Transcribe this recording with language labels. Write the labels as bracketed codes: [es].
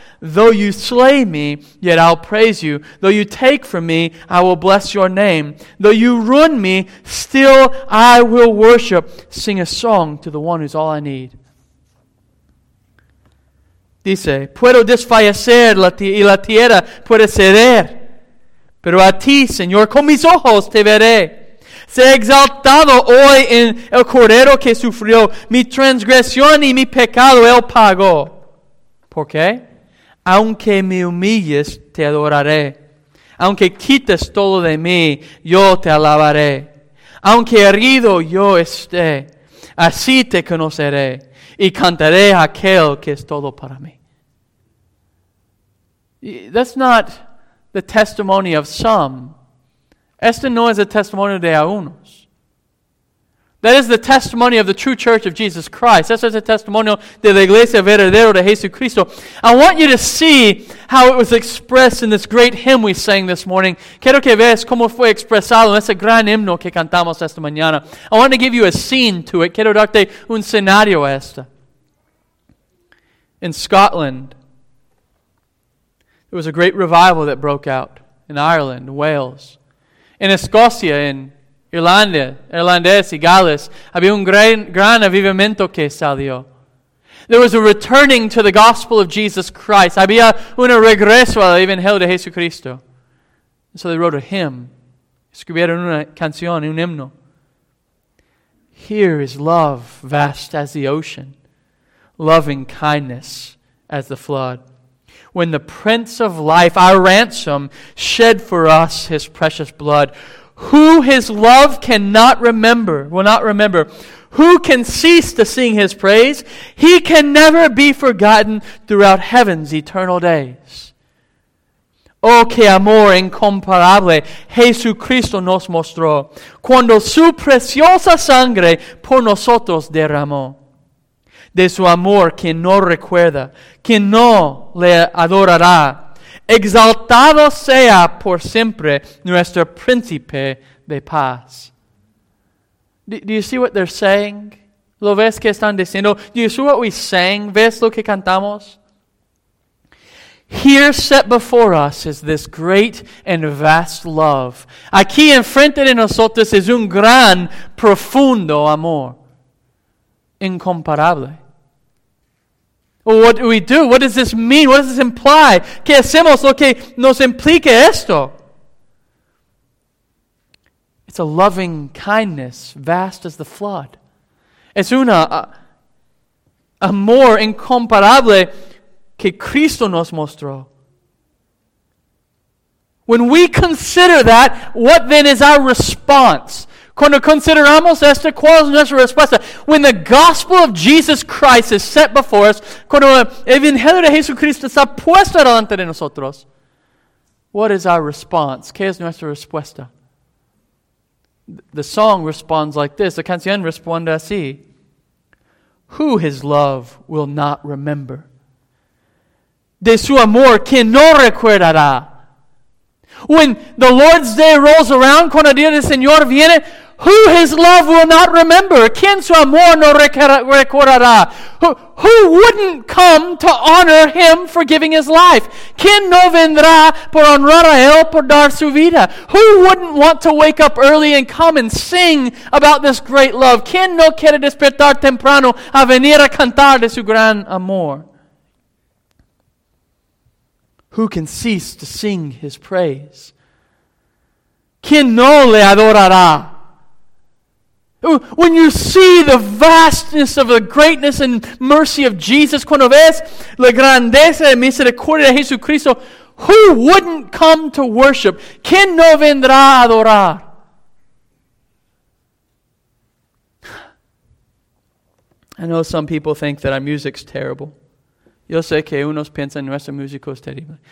[en] Though you slay me, yet I'll praise you. Though you take from me, I will bless your name. Though you ruin me, still I will worship. Sing a song to the one who's all I need. [es] Dice, puedo desfallecer y la tierra puede ceder. Pero a ti, Señor, con mis ojos te veré. Se exaltado hoy en el cordero que sufrió. Mi transgresión y mi pecado él pagó. ¿Por qué? Aunque me humilles, te adoraré. Aunque quites todo de mí, yo te alabaré. Aunque herido yo esté, así te conoceré. Y cantaré aquel que es todo para mí. [en] That's not the testimony of some. [es] Este no es el testimonio de algunos. [en] That is the testimony of the true church of Jesus Christ. [es] Eso es el testimonio de la iglesia verdadera de Jesucristo. [en] I want you to see how it was expressed in this great hymn we sang this morning. [es] Quiero que veas cómo fue expresado en ese gran himno que cantamos esta mañana. [en] I want to give you a scene to it. [es] Quiero darte un escenario a esto. [en] In Scotland, there was a great revival that broke out in Ireland, Wales. [es] In Escocia, in Irlanda, Irlandés y Gales, había un gran avivamiento que salió. [en] There was a returning to the gospel of Jesus Christ. [es] Había un regreso al evangelio de Jesucristo. [en] And so they wrote a hymn. [es] Escribieron una canción, un himno. [en] Here is love vast as the ocean, loving kindness as the flood. When the Prince of Life, our ransom, shed for us his precious blood, who his love cannot remember, will not remember. Who can cease to sing his praise? He can never be forgotten throughout heaven's eternal days. [es] Oh, qué amor incomparable Jesucristo nos mostró cuando su preciosa sangre por nosotros derramó. De su amor quien no recuerda, quien no le adorará. Exaltado sea por siempre nuestro príncipe de paz. [en] Do you see what they're saying? [es] ¿Lo ves que están diciendo? [en] Do you see what we sang? [es] ¿Ves lo que cantamos? [en] Here set before us is this great and vast love. [es] Aquí enfrente de nosotros es un gran, profundo amor. Incomparable. [en] What do we do? What does this mean? What does this imply? [es] ¿Qué hacemos? ¿Lo que nos implica esto? [en] It's a loving kindness, vast as the flood. [es] Es un amor incomparable que Cristo nos mostró. [en] When we consider that, what then is our response? [es] Cuando consideramos esto, ¿cuál es nuestra respuesta? [en] When the gospel of Jesus Christ is set before us, [es] cuando el evangelio de Jesucristo está puesto delante de nosotros, [en] what is our response? [es] ¿Qué es nuestra respuesta? [en] The song responds like this. [es] La canción responde así. [en] Who his love will not remember? [es] De su amor, ¿quién no recordará? [en] When the Lord's Day rolls around, [es] cuando el día del Señor viene, [en] who his love will not remember? [es] ¿Quién su amor no recordará? [en] Who wouldn't come to honor him for giving his life? [es] ¿Quién no vendrá por honrar a él por dar su vida? [en] Who wouldn't want to wake up early and come and sing about this great love? [es] ¿Quién no quiere despertar temprano a venir a cantar de su gran amor? [en] Who can cease to sing his praise? [es] ¿Quién no le adorará? [en] When you see the vastness of the greatness and mercy of Jesus, [es] cuando ves la grandeza y misericordia de Jesucristo, [en] who wouldn't come to worship? [es] ¿Quién no vendrá a adorar? [en] I know some people think that our music's terrible. [es] Yo sé que unos piensan nuestro músico es terrible.